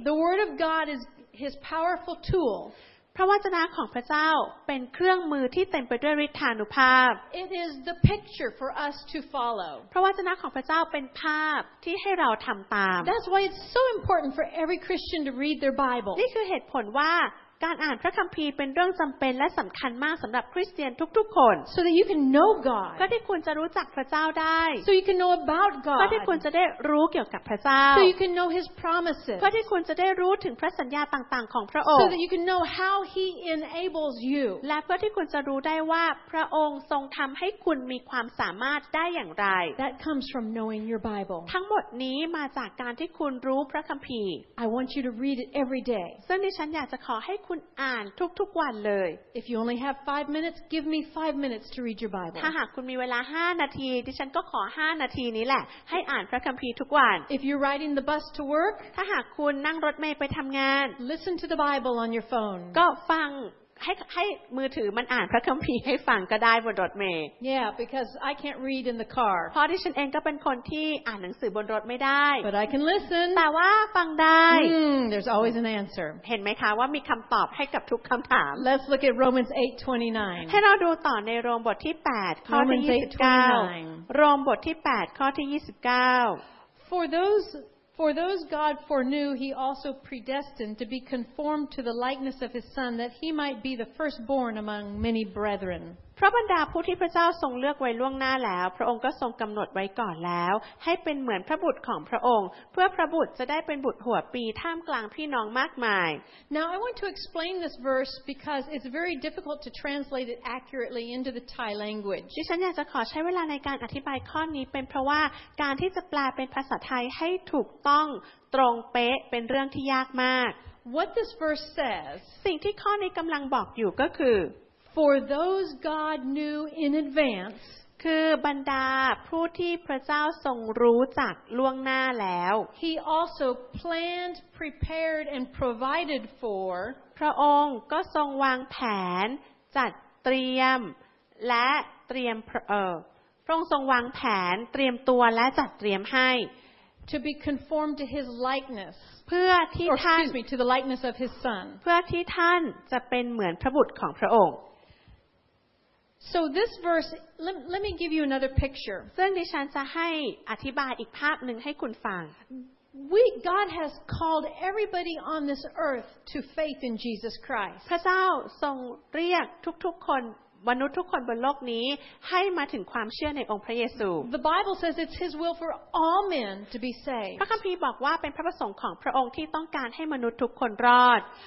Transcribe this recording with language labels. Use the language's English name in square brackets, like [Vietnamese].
[English] The word of God is His powerful tool. [Thai] พระวจนะของพระเจ้าเป็นเครื่องมือที่เต็มไปด้วยฤทธานุภาพ [English] It is the picture for us to follow. [Thai] พระวจนะของพระเจ้าเป็นภาพที่ให้เราทำตาม [English] That's why it's so important for every Christian to read their Bible. [Thai] นี่คือเหตุผลว่าการอ่านพระคัมภีร์เป็นเรื่องจำเป็นและสำคัญมากสำหรับคริสเตียนทุกๆคน [English] so that you can know God [Thai] ก็ที่คุณจะรู้จักพระเจ้าได้ [English] so you can know about God [Thai] ก็ที่คุณจะได้รู้เกี่ยวกับพระเจ้า [English] so you can know His promises [Thai] ก็ที่คุณจะได้รู้ถึงพระสัญญาต่างๆของพระองค์ [English] so that you can know how He enables you [Thai] และก็ที่คุณจะรู้ได้ว่าพระองค์ทรงทำให้คุณมีความสามารถได้อย่างไร [English] that comes from knowing your Bible [Thai] ทั้งหมดนี้มาจากการที่คุณรู้พระคัมภีร์ [English] I want you to read it every day [Thai] ซึ่งดิฉันอยากจะขอให้คุณอ่านทุกๆวันเลย [English] If you only have 5 minutes give me 5 minutes to read your bible [Thai] ถ้าหากคุณมีเวลา5นาทีดิฉันก็ขอ5นาทีนี้แหละให้อ่านพระคัมภีร์ทุกวัน [English] If you're riding the bus to work [Thai] ถ้าหากคุณนั่งรถเมล์ไปทำงาน [English] listen to the bible on your phone [Thai] ก็ฟังให้มือถือมันอ่านพระคัมภีร์ให้ฟังก็ได้บนรถเมล์ [English] Yeah because I can't read in the car [Thai] เพราะดิฉันเองก็เป็นคนที่อ่านหนังสือบนรถไม่ได้ [English] But I can listen [Thai] แต่ว่าฟังได้ [English] There's always an answer [Thai] เห็นไหมคะว่ามีคำตอบให้กับทุกคำถาม [English] Let's look at Romans 8:29 [Thai] ให้เราดูต่อในโรมบทที่8ข้อที่29 โรมบทที่8ข้อที่29 [English] For those God foreknew, He also predestined to be conformed to the likeness of His Son, that He might be the firstborn among many brethren. [Thai] พระบัณฑาผู้ที่พระเจ้าทรงเลือกไว้ล่วงหน้าแล้วพระองค์ก็ทรงกำหนดไว้ก่อนแล้วให้เป็นเหมือนพระบุตรของพระองค์เพื่อพระบุตรจะได้เป็นบุตรหัวปีท่ามกลางพี่น้องมากมาย [English] Now I want to explain this verse because it's very difficult to translate it accurately into the Thai language. [Thai] ดิฉันอยากจะขอใช้เวลาในการอธิบายข้อนี้เป็นเพราะว่าการที่จะแปลเป็นภาษาไทยให้ถูกต้องตรงเป๊ะเป็นเรื่องที่ยากมาก [English] What this verse says [Thai] สิ่งที่ข้อนี้กำลังบอกอยู่ก็คือ [English] For those God knew in advance, [Thai] คือบรรดาผู้ที่พระเจ้าทรงรู้จักล่วงหน้าแล้ว [English] He also planned, prepared, and provided for. [Thai] พระองค์ก็ทรงวางแผนจัดเตรียมและเตรียมพระองค์ทรงวางแผนเตรียมตัวและจัดเตรียมให้ [English] To be conformed to His likeness, [Thai] เพื่อที่ท่าน [English] to the likeness of His Son, [Thai] เพื่อที่ท่านจะเป็นเหมือนพระบุตรของพระองค์ [English] So this verse, let me give you another picture. [Thai] ซึ่งดิฉันจะให้อธิบายอีกภาพหนึ่งให้คุณฟัง [English] God has called everybody on this earth to faith in Jesus Christ. [Thai] พระเจ้าทรงเรียกทุกๆคนมนุษย์ทุกคนบนโลกนี้ให้มาถึงความเชื่อในองค์พระเยซู [English] The Bible says it's His will for all men to be saved. [Thai] พระคัมภีร์บอกว่าเป็นพระประสงค์ของพระองค์ที่ต้องการให้มนุษย์ทุกคนรอด